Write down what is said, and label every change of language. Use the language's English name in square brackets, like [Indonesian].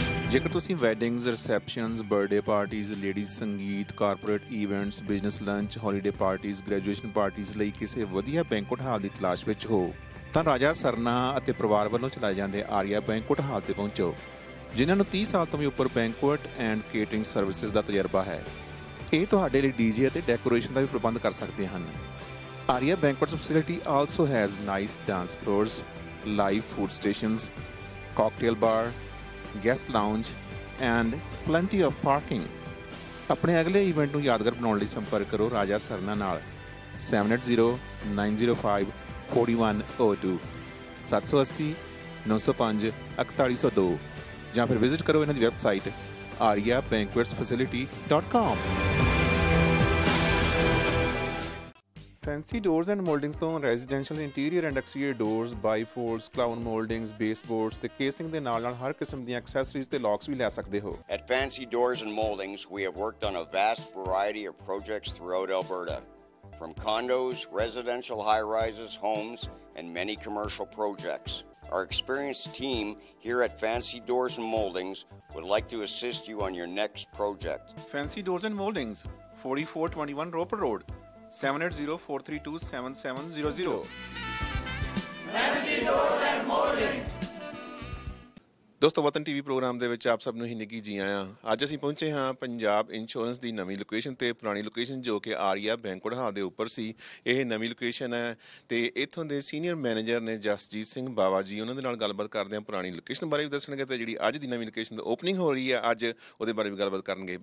[Punjabi] ਜੇਕਰ ਤੁਸੀਂ weddings, receptions, birthday parties, ladies ਸੰਗੀਤ, corporate events, business lunch, holiday parties, graduation parties ਲਈ ਕਿਸੇ ਵਧੀਆ ਬੈਂਕੁਟ ਹਾਲ ਦੀ ਤਲਾਸ਼ ਵਿੱਚ ਹੋ, ਤਾਂ ਰਾਜਾ ਸਰਨਾ ਅਤੇ ਪਰਿਵਾਰ ਵੱਲੋਂ ਚਲਾਏ ਜਾਂਦੇ ਆਰੀਆ ਬੈਂਕੁਟ ਹਾਲ 'ਤੇ ਪਹੁੰਚੋ, ਜਿਨ੍ਹਾਂ ਨੂੰ 30 ਸਾਲ ਤੋਂ ਵੀ ਉੱਪਰ ਬੈਂਕੁਟ ਐਂਡ ਕੇਟਰਿੰਗ ਸਰਵਿਸਿਜ਼ ਦਾ ਤਜਰਬਾ ਹੈ। ਇਹ ਤੁਹਾਡੇ ਲਈ ਡੀ ਜੇ ਅਤੇ ਡੈਕੋਰੇਸ਼ਨ ਦਾ ਵੀ ਪ੍ਰਬੰਧ ਕਰ ਸਕਦੇ ਹਨ। [English] Arya Banquets facility also has nice dance floors, live food stations, cocktail bar, guest lounge, and plenty of parking. [Punjabi] Apne agle event nu yaadgar banaun layi sampark karo Raja Sarna naal 780-905-4102 780-905-4102 ਜਾਂ ਫਿਰ visit ਕਰੋ ਇਹਨਾਂ ਦੀ website aryabanquetsfacility.com. Fancy doors and ਮੋਲਡਿੰਗਸ ਤੋਂ residential interior and exterior doors, ਬਾਈਫੋਲਡਸ, clown ਮੋਲਡਿੰਗਸ, ਬੇਸਬੋਰਡਸ ਤੇ casing ਦੇ ਨਾਲ ਹਰ ਕਿਸਮ ਦੀਆਂ ਐਕਸੈਸਰੀਜ਼ ਤੇ ਲੌਕਸ ਵੀ ਲੈ ਸਕਦੇ ਹੋ. [English] At Fancy Doors and Moldings, we have worked on a vast variety of projects throughout Alberta, from condos, residential high-rises, homes, and many commercial projects. Our experienced team here at Fancy Doors and Moldings would like to assist you on your next project. Fancy Doors and Moldings, 4421 Roper Road, 780-432-7700. Fancy Doors and Moldings. [Punjabi] ਦੋਸਤੋ, ਵਤਨ T V programme ਦੇ ਵਿੱਚ ਆਪ ਸਭ ਨੂੰ ਹੀ ਨਿੱਘੀ ਜੀ ਆਇਆਂ. ਅੱਜ ਅਸੀਂ ਪਹੁੰਚੇ ਹਾਂ ਪੰਜਾਬ ਇੰਸ਼ੋਰੈਂਸ ਦੀ ਨਵੀਂ ਲੋਕੇਸ਼ਨ 'ਤੇ. ਪੁਰਾਣੀ ਲੋਕੇਸ਼ਨ ਜੋ ਕਿ ਆਰੀਆ ਬੈਂਕਵਟ ਹਾਲ ਦੇ ਉੱਪਰ ਸੀ, ਇਹ ਨਵੀਂ ਲੋਕੇਸ਼ਨ ਹੈ. ਅਤੇ ਇੱਥੋਂ ਦੇ ਸੀਨੀਅਰ ਮੈਨੇਜਰ ਨੇ ਜਸਜੀਤ ਸਿੰਘ ਬਾਵਾ ਜੀ, ਉਹਨਾਂ ਦੇ ਨਾਲ ਗੱਲਬਾਤ ਕਰਦੇ ਹਾਂ. ਪੁਰਾਣੀ ਲੋਕੇਸ਼ਨ ਬਾਰੇ ਵੀ ਦੱਸਣਗੇ ਅਤੇ ਜਿਹੜੀ ਅੱਜ ਦੀ ਨਵੀਂ ਲੋਕੇਸ਼ਨ ਦੀ ਓਪਨਿੰਗ ਹੋ ਰਹੀ ਹੈ ਅੱਜ, ਉਹਦੇ ਬਾਰੇ ਵੀ ਗੱਲਬਾਤ ਕਰਨਗੇ.